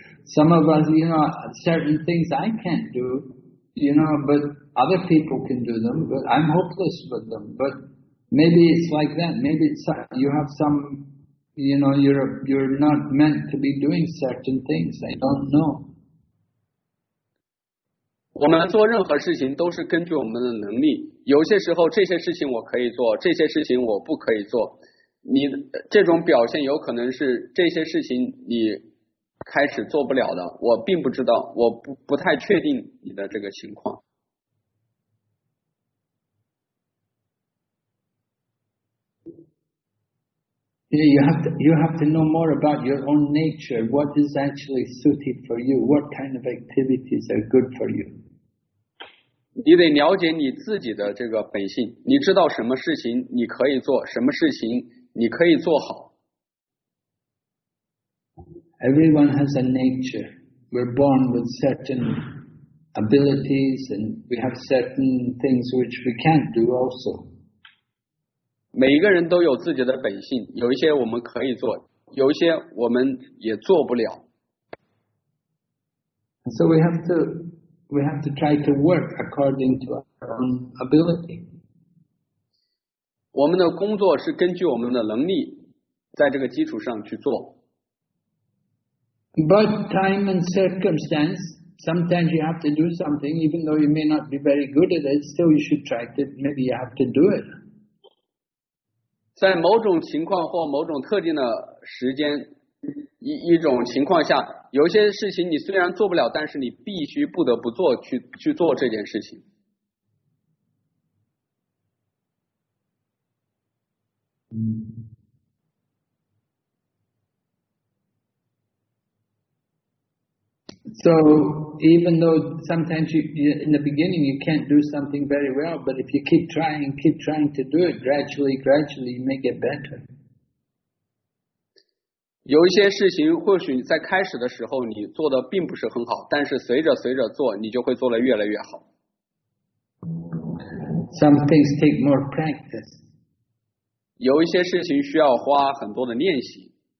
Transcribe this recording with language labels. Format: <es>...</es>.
<en>Some of us, you know, certain things I can't do, you know, but other people can do them, but I'm hopeless with them. But maybe it's like that. Maybe it's, you have some, you know, you're not meant to be doing certain things. I don't know.</en> <zh>我们做任何事情都是根据我们的能力，有些时候这些事情我可以做，这些事情我不可以做。你这种表现有可能是这些事情你开始做不了的，我并不知道，我不太确定你的这个情况。</zh> <en>You have to know more about your own nature. What is actually suited for you? What kind of activities are good for you?</en> <zh>你得了解你自己的这个本性，你知道什么事情你可以做，什么事情你可以做好。</zh> <en>Everyone has a nature. We're born with certain abilities, and we have certain things which we can't do also.</en> <zh>每一个人都有自己的本性，有一些我们可以做，有一些我们也做不了。</zh> <en>So we have to try to work according to our own ability.</en> <zh>我们的工作是根据我们的能力在这个基础上去做。</zh> <en>But time and circumstance, sometimes you have to do something, even though you may not be very good at it, still you should try to, maybe you have to do it.</en> <zh>在某种情况或某种特定的时间一种情况下，有些事情你虽然做不了，但是你必须不得不做，去做这件事情。</zh> <en>So even though sometimes you, in the beginning you can't do something very well, but if you keep trying to do it, gradually you may get better.</en> <zh>有一些事情或许在开始的时候你做的并不是很好，但是随着做，你就会做得越来越好。</zh> <en>Some things take more practice.</en> <zh>有一些事情需要花很多的练习。</zh>